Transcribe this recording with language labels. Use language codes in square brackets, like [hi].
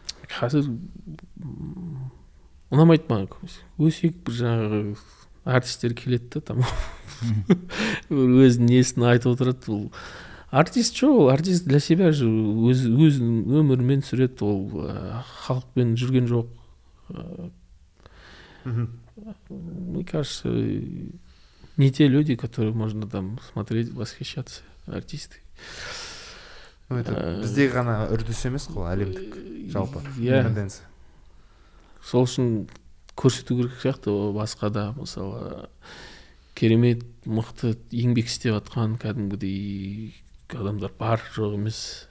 [kk] Қазір ұнамайды маған көбісі. Өсек бір жаңағы әртістер келеді де там өзінің несін айтып отырады. Ол артист жоқ, ол артист [ru] для себя же [kk] өзінің өмірімен сүреді. Ол халықпен жүрген жоқ. [ru] Мне кажется, не те люди, которые можно там смотреть, восхищаться, артисты. Ну это [kk] бізде ғана үрдіс емес қой, әлемдік жалпы тенденция. Сол үшін көрсету керек сияқты басқа да. Мысалы керемет мықты еңбек істеп жатқан кәдімгідей адамдар бар, жоқ емес.